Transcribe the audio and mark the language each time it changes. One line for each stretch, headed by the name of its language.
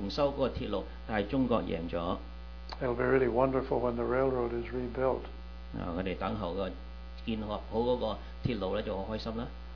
Cantonese: 有好多國家想就開始搶嗰啲同簽合同，同安哥拉簽合同重建重修嗰個鐵路，但係中國贏咗。
English: It'll be really wonderful when the railroad is rebuilt.
Cantonese: 啊，佢哋等候個建好嗰個鐵路咧，就好開心啦。